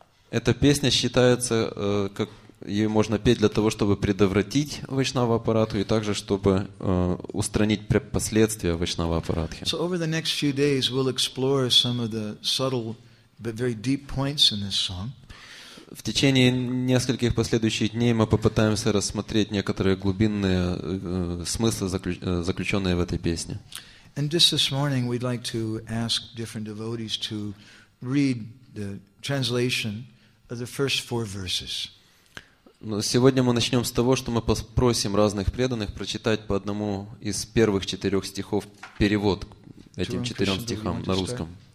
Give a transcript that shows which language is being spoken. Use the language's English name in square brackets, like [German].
[Russian] Эта песня считается, как ее можно петь для того, чтобы предотвратить вайшнава аппарату и также, чтобы устранить последствия вайшнава аппаратхи. [English] So over the next few days we'll explore some of the subtle but very deep points in this song. [Russian] В течение нескольких последующих дней мы попытаемся рассмотреть некоторые глубинные смыслы, заключенные в этой песне. [English] And just this morning we'd like to ask different devotees to read the translation of the first four verses. [Russian] Но сегодня мы начнем с того, что мы попросим разных преданных прочитать по одному из первых четырех стихов перевод этим четырем стихам на русском.